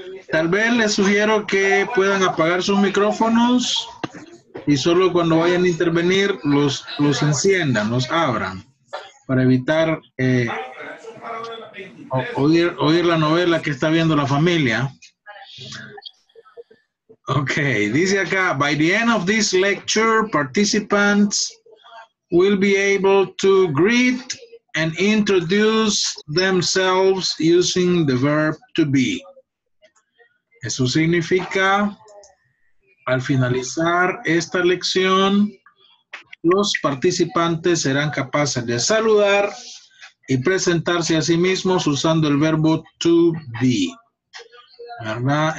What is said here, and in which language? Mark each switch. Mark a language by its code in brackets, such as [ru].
[es] Tal vez les sugiero que puedan apagar sus micrófonos y solo cuando vayan a intervenir los enciendan, los abran, para evitar oír la novela que está viendo la familia. Ok, dice acá, [en] by the end of this lecture, participants will be able to greet and introduce themselves using the verb to be. [es] Eso significa, al finalizar esta lección, los participantes serán capaces de saludar y presentarse a sí mismos usando el verbo to be, ¿verdad?